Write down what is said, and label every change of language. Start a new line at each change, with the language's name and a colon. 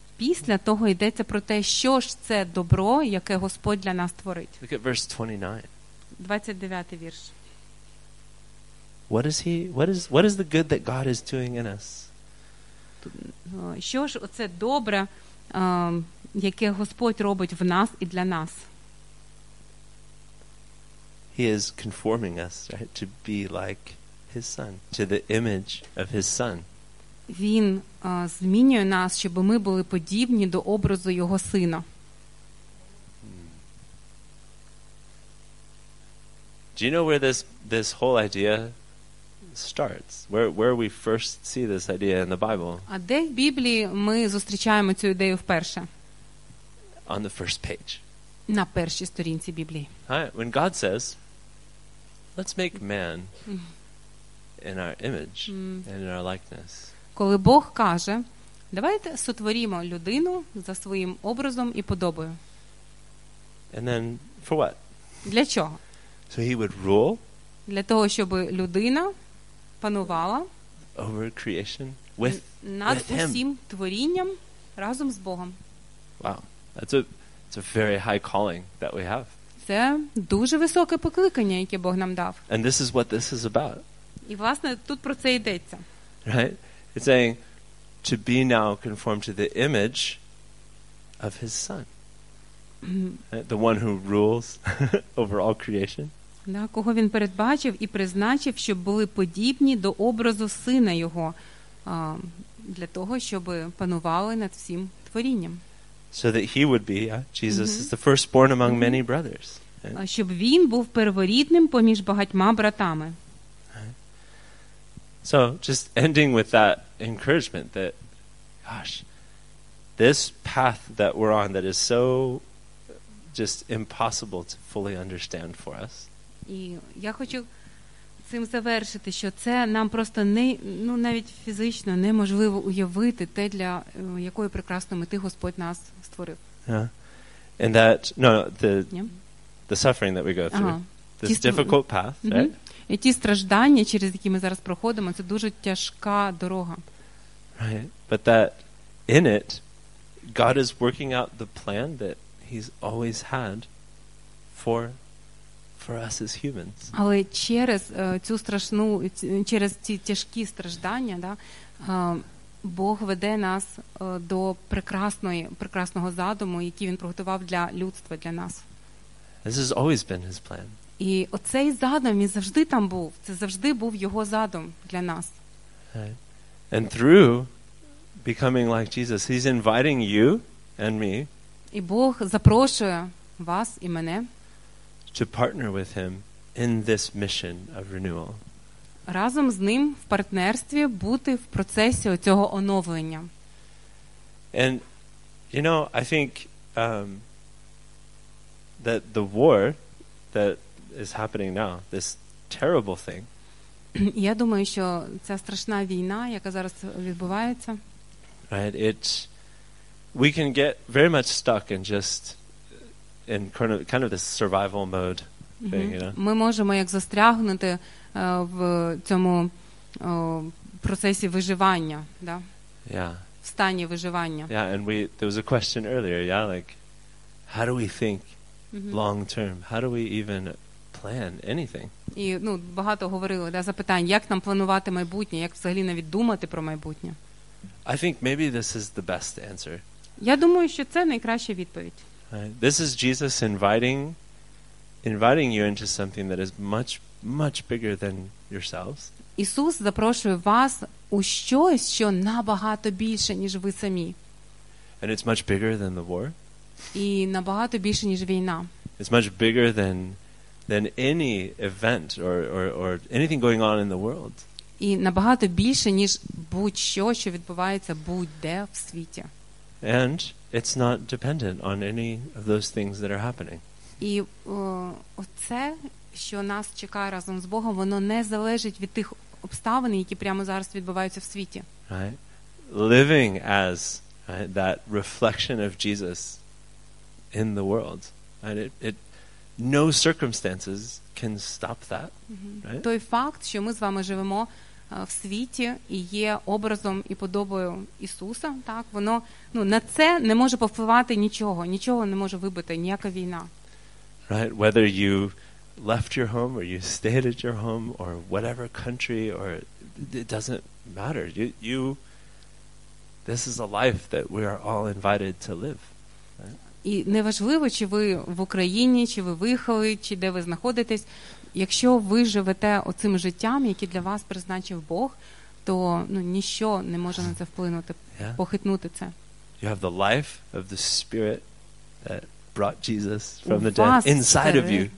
Ukrainian: Після того йдеться про те, що ж це добро, яке Господь для нас творить.
English: Look at verse 29.
Ukrainian: 29-й вірш.
English: What is the good that God is doing in us?
Ukrainian: Що ж це добре, яке Господь робить в нас і для нас?
English: He is conforming us, right, to be like his son, to the image of his son.
Ukrainian: Він змінює нас, щоб ми були подібні до образу його сина.
English: Do you know where this whole idea starts? Where we first see this idea in the Bible?
Ukrainian: А де в Біблії ми зустрічаємо цю ідею вперше?
English: On the first page.
Ukrainian: На першій сторінці Біблії.
English: Right, when God says, "Let's make man in our image and in our likeness."
Ukrainian: Коли Бог каже, давайте сотворімо людину за своїм образом і подобою.
English: And then, for what?
Ukrainian: Для чого?
English: So he would rule?
Ukrainian: Для того, щоб людина панувала
English: over creation with
Ukrainian: над
English: with
Ukrainian: усім
English: him.
Ukrainian: Творінням разом з Богом.
English: Wow, that's a very high calling that we have.
Ukrainian: Це дуже високе покликання, яке Бог нам дав.
English: And this is what this is about.
Ukrainian: І, власне, тут про це йдеться.
English: Right? It's saying to be now conformed to the image of his son. The one who rules over all creation.
Ukrainian: Да, кого він передбачив і призначив, щоб були подібні до образу сина його, для того, щоб панували над всім творінням.
English: So that he would be, Jesus is the firstborn among many brothers.
Ukrainian: Щоб він був перворідним поміж багатьма братами.
English: So, just ending with that encouragement that, gosh, this path that we're on that is so just impossible to fully understand for us.
Ukrainian: І я хочу цим завершити, що це нам просто навіть фізично неможливо уявити те, для якої прекрасної мети Господь нас створив.
English: And that, the suffering that we go through, this difficult path, right?
Ukrainian: І ті страждання, через які ми зараз проходимо, це дуже тяжка дорога.
English: Right. But that in it God is working out the plan that he's always had for us as humans.
Ukrainian: Але через цю страшну через ці тяжкі страждання, да, Бог веде нас до прекрасної, прекрасного задуму, який він приготував для людства, для нас.
English: This has always been his plan.
Ukrainian: І оцей задум, він завжди там був. Це завжди був його задум для нас.
English: And through becoming like Jesus, he's inviting you and me.
Ukrainian: І Бог запрошує вас і мене
English: to partner with him in this mission of renewal.
Ukrainian: Разом з ним в партнерстві бути в процесі цього оновлення.
English: And you know, I think that the war that is happening now, this terrible thing.
Ukrainian: Я думаю, що ця страшна війна, яка зараз відбувається.
English: Right, we can get very much stuck in just in kind of this survival mode thing, you know.
Ukrainian: Ми можемо як застрягнути в цьому процесі виживання, да?
English: Yeah.
Ukrainian: В стані виживання.
English: Yeah, and there was a question earlier, yeah, like how do we think long term? How do we even plan anything?
Ukrainian: І, ну, багато говорили, да, запитань, як нам планувати майбутнє, як взагалі навіть думати про майбутнє.
English: I think maybe this is the best answer.
Ukrainian: Я думаю, що це найкраща відповідь.
English: Right. This is Jesus inviting you into something that is much bigger than yourselves.
Ukrainian: Ісус запрошує вас у щось, що набагато більше, ніж ви самі.
English: And it's much bigger than the war.
Ukrainian: І набагато більше, ніж війна.
English: It's much bigger than any event or anything going on in the world.
Ukrainian: І набагато більше, ніж будь-що, що відбувається будь-де в світі.
English: And it's not dependent on any of those things that are happening.
Ukrainian: І оце, що нас чекає разом з Богом, воно не залежить від тих обставин, які прямо зараз відбуваються в світі.
English: Right? Living as right, that reflection of Jesus in the world. And it no circumstances can stop that. Right?
Ukrainian: Той факт, що ми з вами живемо в світі і є образом і подобою Ісуса, так, воно, ну, на це не може повпливати нічого, нічого не може вибити, ніяка війна.
English: Right, whether you left your home or you stayed at your home or whatever country or it doesn't matter. You this is a life that we are all invited to live.
Ukrainian: І неважливо, чи ви в Україні, чи ви виїхали, чи де ви знаходитесь, якщо ви живете оцим життям, яке для вас призначив Бог, то, ну, ніщо не може на це вплинути,
English: yeah.
Ukrainian: похитнути це.
English: You have the life of the Spirit that brought Jesus from the dead inside of you.